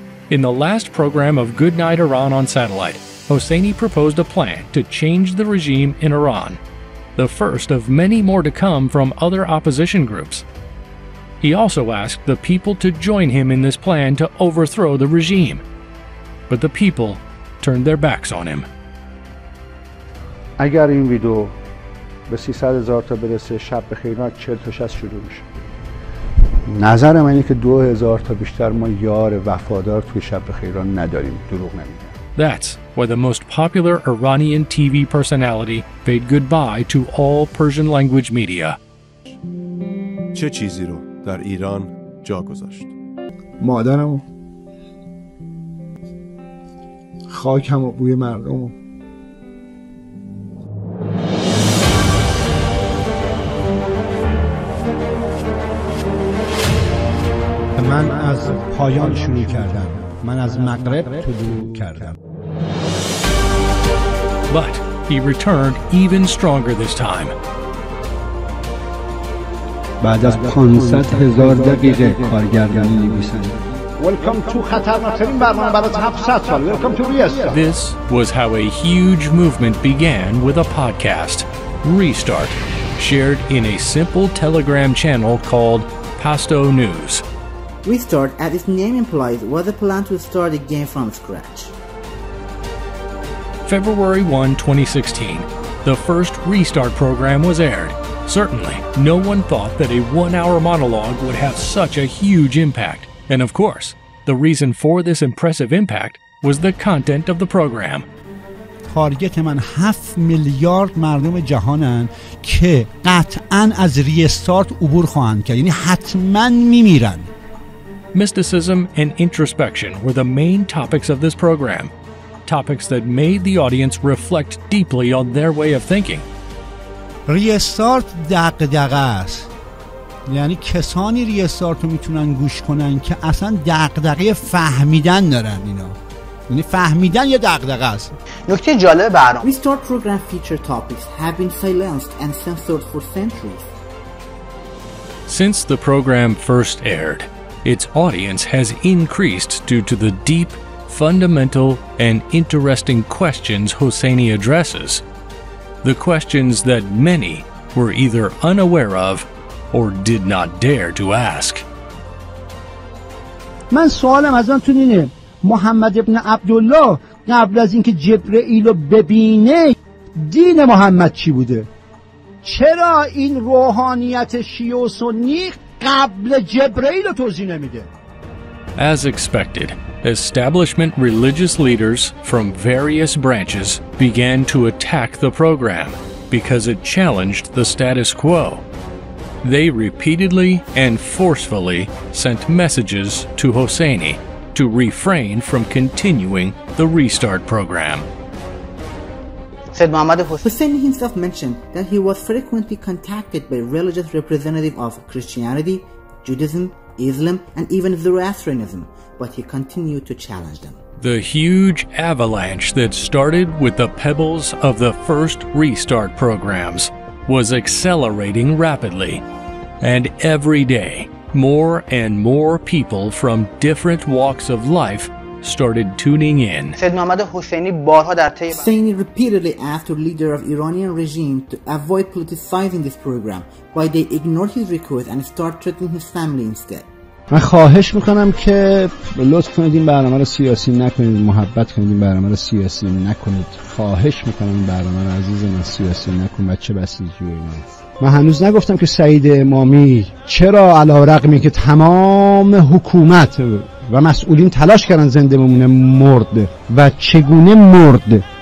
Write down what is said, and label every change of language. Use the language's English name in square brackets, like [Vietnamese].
[English] In the last program of Goodnight Iran on satellite, Hosseini proposed a plan to change the regime in Iran, the first of many more to come from other opposition groups. He also asked the people to join him in this plan to overthrow the regime. But the people turned their backs on him. [Persian] اگر این ویدیو به 300,000 تا برسه شب بخیر نه 40 تا 60 شروع میشه. نظر من اینه که 2000 تا بیشتر ما یار وفادار توی شب بخیر نداریم، دروغ نمیگم. [English] That's why the most popular Iranian TV personality bade goodbye to all Persian language media. [Persian] چه چیزی رو در ایران جا گذاشت؟ مادرمو، خاکم و بوی مردم. من از پایان شروع کردم. من از مغرب طلوع کردم. [English] But he returned even stronger this time. [Persian] بعد از 500,000 دقیقه کارگردانی نویسنده. [English] Welcome to [Persian] Khatarnaterin Barnam Barat 700 sal. [English] Welcome to Restart. This was how a huge movement began with a podcast, Restart, shared in a simple Telegram channel called Pasto News. Restart, as its name implies, was a plan to start the game from scratch. February 1, 2016, the first Restart program was aired. Certainly, no one thought that a one-hour monologue would have such a huge impact. And of course, the reason for this impressive impact was the content of the program. [Persian] تارگت من 7 میلیارد مردم جهانن که قطعاً از ریستارت عبور خواهند کرد، یعنی حتماً میمیرن. [English] Mysticism and introspection were the main topics of this program, topics that made the audience reflect deeply on their way of thinking. [Persian] ریستارت دغدغه است. یعنی کسانی ریستارت رو میتونن گوش کنن که اصلا دغدغه فهمیدن دارن اینا، یعنی فهمیدن یه دغدغه است. نکته جالب برنامه [English] Restart program feature topics have been silenced and censored for centuries. Since the program first aired, its audience has increased due to the deep, fundamental and interesting questions Hosseini addresses. The questions that many were either unaware of or did not dare to ask. [Persian] من سوالم از تو اینه، محمد ابن عبدالله قبل از اینکه جبرئیل رو ببینه دین محمد چی بوده؟ چرا این روحانیت شیعه و سنی قبل جبرئیل رو توضیح نمیده؟ [English] As expected, establishment religious leaders from various branches began to attack the program because it challenged the status quo. They repeatedly and forcefully sent messages to Hosseini to refrain from continuing the Restart program. Said Muhammad Hosseini. Hosseini himself mentioned that he was frequently contacted by religious representatives of Christianity, Judaism, Islam, and even Zoroastrianism, but he continued to challenge them. The huge avalanche that started with the pebbles of the first Restart programs was accelerating rapidly. And every day, more and more people from different walks of life started tuning in. Hosseini repeatedly asked the leader of Iranian regime to avoid politicizing this program, but they ignored his request and started treating his family instead. [Persian] من خواهش میکنم که لطف کنید این برنامه رو سیاسی نکنید، محبت کنید این برنامه رو سیاسی نکنید، خواهش میکنم این برنامه رو عزیز من سیاسی نکن. بچه بسیجی و اینا، من هنوز نگفتم که سعید امامی چرا علارغم اینکه تمام حکومت و مسئولین تلاش کردن زنده بمونه مرد و چگونه مرد.